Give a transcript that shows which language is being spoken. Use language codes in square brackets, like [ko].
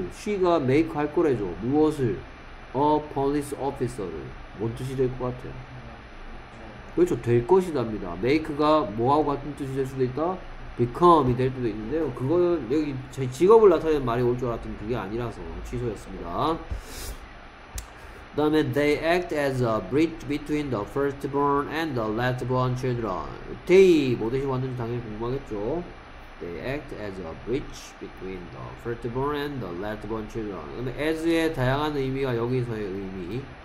[ko] She가 make 할 거래죠. 무엇을? A police officer를. 뭔 뜻이 될 것 같아. 그렇죠. 될 것이랍니다. make가 뭐하고 같은 뜻이 될 수도 있다. become이 될 수도 있는데요. 그거는 여기 제 직업을 나타내는 말이 올 줄 알았더니 그게 아니라서 취소였습니다. 그 다음에 [en] they act as a bridge between the firstborn and the lastborn children. [ko] they 뭐 대신 왔는지 당연히 궁금하겠죠. [en] they act as a bridge between the firstborn and the lastborn children. [ko] 그 다음에 as의 다양한 의미가 여기서의 의미.